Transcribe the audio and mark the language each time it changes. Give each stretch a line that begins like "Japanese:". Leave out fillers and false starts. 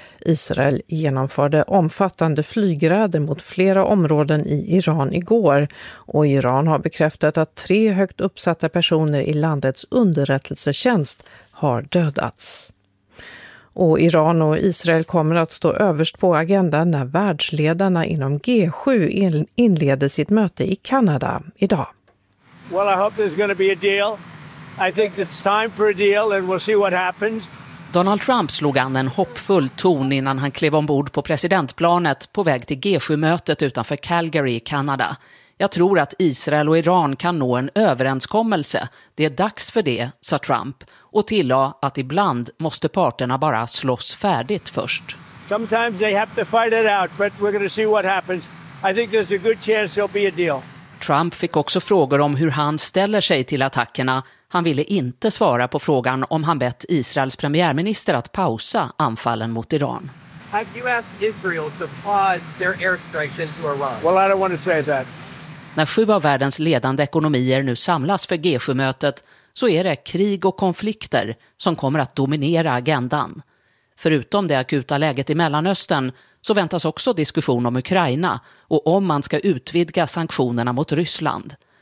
Swedish: Israel genomförde omfattande flygräder mot flera områden i Iran igår, och Iran har bekräftat att 3 högt uppsatta personer i landets underrättelsetjänst har dödats. Och Iran och Israel kommer att stå överst på agendan när världsledarna inom G7 inleder sitt möte i Kanada idag.
English: Well, I hope there's going to be a deal. I think it's time for a deal and we'll see what happens.
Swedish: Donald Trump slog an en hoppfull ton innan han klev ombord på presidentplanet på väg till G7-mötet utanför Calgary i Kanada. Jag tror att Israel och Iran kan nå en överenskommelse. Det är dags för det, sa Trump, och tillade att ibland måste parterna bara slåss färdigt först.
English: Sometimes they have to fight it out, but we're going to see what happens. I think there's a good chance there'll be a deal.
Swedish: Trump fick också frågor om hur han ställer sig till attackerna. Han ville inte svara på frågan om han bett Israels premiärminister att pausa anfallen mot Iran.
English: Have you asked Israel to pause their airstrikes into Iran? Well, I don't want to say that.
Swedish: När 7 av världens ledande ekonomier nu samlas för G7-mötet så är det krig och konflikter som kommer att dominera agendan. Förutom det akuta läget i Mellanöstern så väntas också diskussion om Ukraina och om man ska utvidga sanktionerna mot Ryssland.